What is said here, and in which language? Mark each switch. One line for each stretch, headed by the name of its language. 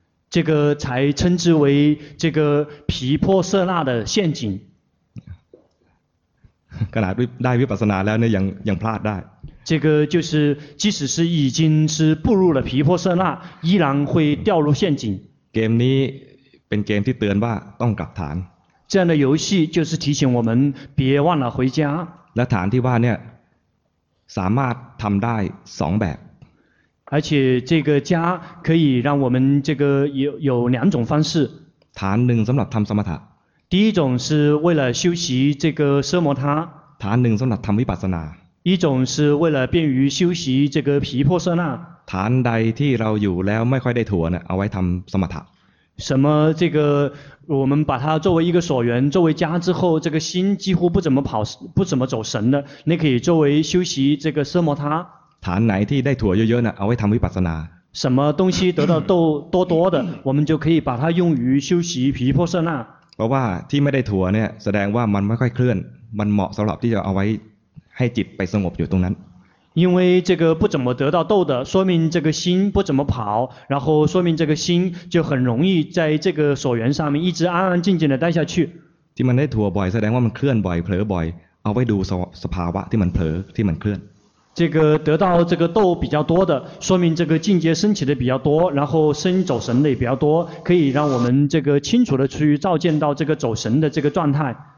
Chinese: 这个才称之为这个皮破色纳的陷阱。
Thai: ขนาดได้วิปัสสนาแล้วเนี่ยยังพลาดได้。
Chinese: 这个就是即使是已经是步入了皮破色纳，依然会掉入陷阱。
Thai: เกมนี้เป็นเกมที่เตือนว่าต้องกลับฐาน。
Chinese: 这样的游戏就是提醒我们别忘了回家。
Thai: และฐานที่ว่าเนี่ยสามารถทำได้สองแบบ。
Chinese: 而且这个家可以让我们这个有两种方式
Thai: ฐานหนึ่งสำหรับทำสมถะ
Chinese: 第一种是为了修习这个奢摩他
Thai: ฐานหนึ่งสำหรับทำวิปัสสนา
Chinese: 一种是为了便于修习这个皮婆舍那
Thai: ฐานใดที่เราอยู่แล้วไม่ค่อยได้ถั่วเนี่ยเอาไว้ทำสมถะ
Chinese: 什么这个我们把它作为一个所缘作为家之后这个心几乎不怎么走神的那可以作为修习这个奢摩他
Thai: ฐานไหนที่ได้ถั่วเยอะๆนะเอาไว้ทำวิปัสสนา
Chinese: 什么东西得到多多的我们就可以把它用于修习毗婆舍那
Thai: เพราะว่าที่ไม่ได้ถั่วเนี่ยแสดงว่ามันไม่ค่อยเคลื่อนมันเหมาะสำหรับที่จะเอาไว้ให้จิตไปสงบอยู่ตรงนั้น
Chinese: 因为这个不怎么得到豆的说明这个心不怎么跑然后说明这个心就很容易在这个所缘上面一直安安静静的待下去
Thai: ที่มันได้ถั่วบ่อยแสดงว่ามันเคลื่อนบ่อยเผลอบ่อยเอาไว้ดูสภาวะที่มันเผลอที่มันเคลื่อน
Chinese: 这个得到这个豆比较多的说明这个境界升起的比较多然后身走神的也比较多可以让我们这个清楚的去照见到这个走神的这个状态